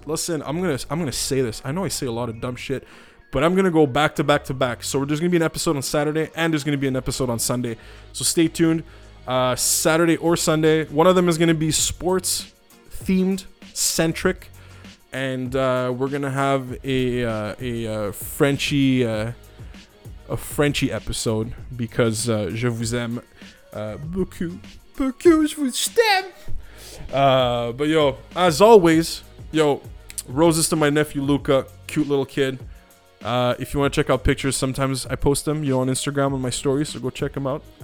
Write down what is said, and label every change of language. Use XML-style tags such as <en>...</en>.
<en>Listen, I'm gonna say this. I know I say a lot of dumb shit, but I'm going to go back to back to back. So there's going to be an episode on Saturday and there's going to be an episode on Sunday. So stay tuned. Saturday or Sunday, one of them is going to be sports themed centric, and we're going to have a Frenchie a Frenchy episode because</en> <fr>je vous aime beaucoup, beaucoup, je vous aime.</fr> <en>But yo, as always, yo, roses to my nephew Luca, cute little kid. If you want to check out pictures, sometimes I post them, you know, on Instagram on my story, so go check them out.</en>